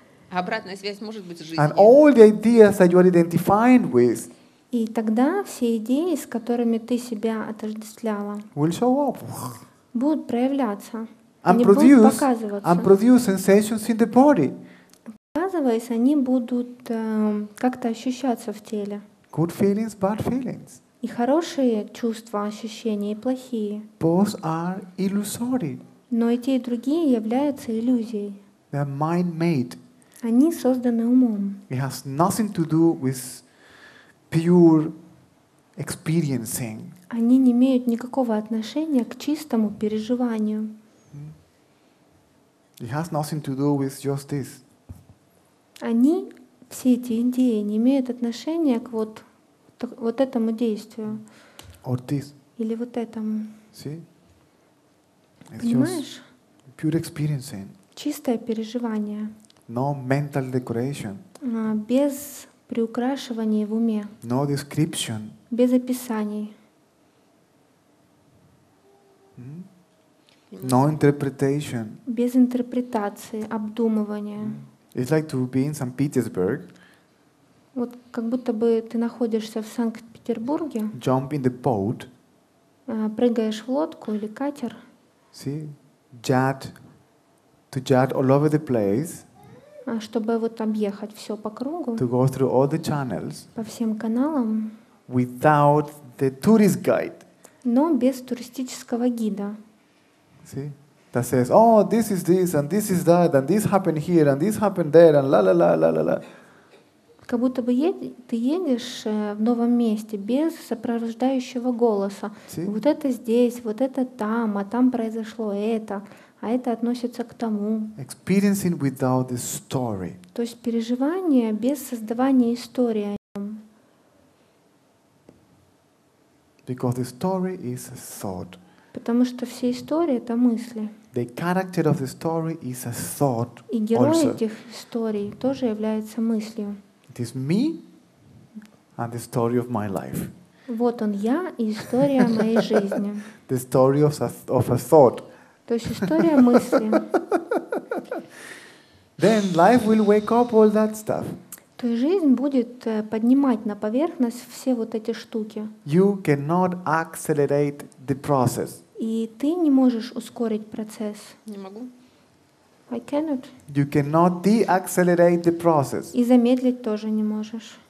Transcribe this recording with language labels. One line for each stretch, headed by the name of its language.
Russian: Обратная связь может быть с жизнью.
English: And all the ideas that you are identifying with.
Russian: И тогда все идеи, с которыми ты себя отождествляла,
English: will show up.
Russian: Будут проявляться.
English: And
Russian: они
English: produce,
Russian: будут показываться.
English: And produce sensations in the body.
Russian: Показываясь, они будут как-то ощущаться в теле.
English: Good feelings, bad feelings.
Russian: И хорошие чувства, ощущения, и плохие.
English: Both are illusory.
Russian: Но и те, и другие являются иллюзией.
English: They are mind-made.
Russian: Они созданы умом.
English: It has nothing to do with pure experiencing.
Russian: Они не имеют никакого отношения к чистому переживанию.
English: It has nothing to do with just this.
Russian: Они, все эти идеи, не имеют отношения к вот, вот этому действию.
English: Or this.
Russian: Или вот этому.
English: See? It's
Russian: Понимаешь?
English: Pure experiencing.
Russian: Чистое переживание.
English: No mental decoration.
Russian: Без приукрашивания в уме.
English: No description.
Russian: Без описаний.
English: No interpretation.
Russian: Без интерпретации, обдумывания.
English: It's like to be in St. Petersburg.
Russian: Вот как будто бы ты находишься в Санкт-Петербурге.
English: Jump in the boat.
Russian: Прыгаешь в лодку или катер.
English: See? Jet. To jet all over the place.
Russian: Чтобы вот объехать все по кругу,
English: to go through all the channels,
Russian: по всем каналам,
English: without the tourist guide,
Russian: но без туристического гида.
English: See? That says, oh, this is this, and this is that, and this happened here, and this happened there, and la-la-la-la-la-la.
Russian: Как будто бы ты едешь в новом месте без сопровождающего голоса.
English: See?
Russian: Вот это здесь, вот это там, а там произошло это. А это относится к тому.
English: Experiencing without the story.
Russian: То есть переживание без создавания истории о нем.
English: Because the story is a thought.
Russian: Потому что все истории — это мысли.
English: The character of the story is a thought
Russian: И герой
English: also.
Russian: Этих историй тоже является мыслью.
English: It is me and the story of my life.
Russian: Вот он я и история моей жизни.
English: The story of a thought.
Russian: То есть история мысли.
English: Then life will wake up all that stuff.
Russian: То есть жизнь будет поднимать на поверхность все вот эти штуки.
English: You cannot accelerate the process.
Russian: И ты не можешь ускорить процесс. Не могу.
English: I cannot. You cannot de-accelerate the process.
Russian: И замедлить тоже не можешь.